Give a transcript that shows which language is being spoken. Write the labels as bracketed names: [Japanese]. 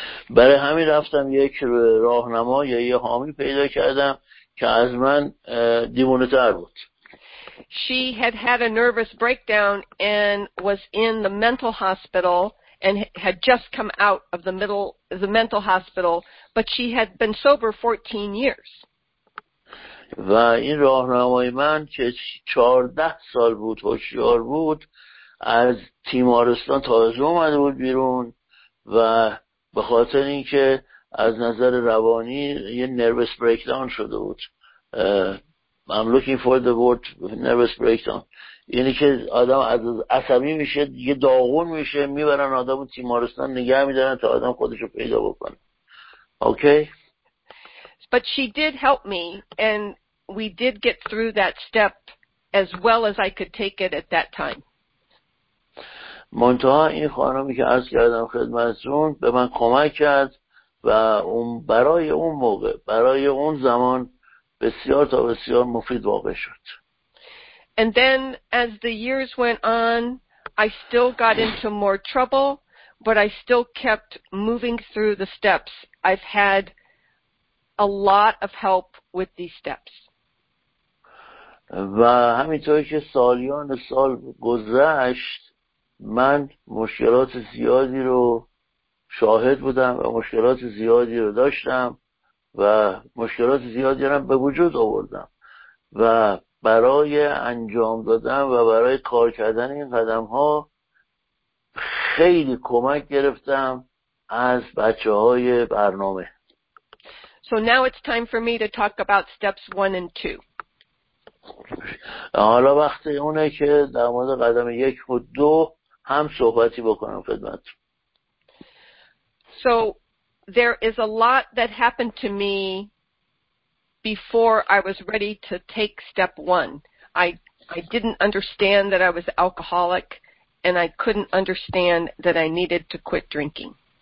[Persian] برای همین رفتم یک راهنما یا یه حامی پیدا کردم که از من دیوونه تر بود. [English] She had had a nervous breakdown and was in the mental hospital and had just come out of the mental hospital, but she had been sober 14 years. [Persian] و این راهنمای من که 14 سال بود هوشیار بود، از تیمارستان تازه اومده بود بیرون و به خاطر اینکه از نظر روانی یه نروس بریکداون شده بود. [English] I'm looking for the word nervous breakdown. [Persian] یعنی که آدم از عصبی میشه، یه داغون میشه، میبرن آدم رو تیمارستان نگه میدارن تا آدم خودشو پیدا بکنه. [English] Okay. But she did help me and we did get through that step as well as I could take it at that time. [Persian] منتها این خانمی که عرض کردم خدمتتون به من کمک کرد و اون برای اون موقع، برای اون زمان بسیار تا بسیار مفید واقع شد. [English] And then as the years went on, I still got into more trouble, but I still kept moving through the steps. I've had a lot of help with these steps. [Persian] و همینطور که سالیان سال گذشت، من مشکلات زیادی رو شاهد بودم و مشکلات زیادی رو داشتم و مشکلات زیادی رو به وجود آوردم و برای انجام دادن و برای کار کردن این قدم ها خیلی کمک گرفتم از بچه های برنامه. [English] So now it's time for me to talk about steps 1 and 2. [Persian] حالا وقت اونه که در مورد قدم 1 و 2 هم صحبتی بکنم خدمتتون. [English] So there is a lot that happened to me before I was ready to take step one. I didn't understand that I was alcoholic and I couldn't understand that I needed to quit drinking.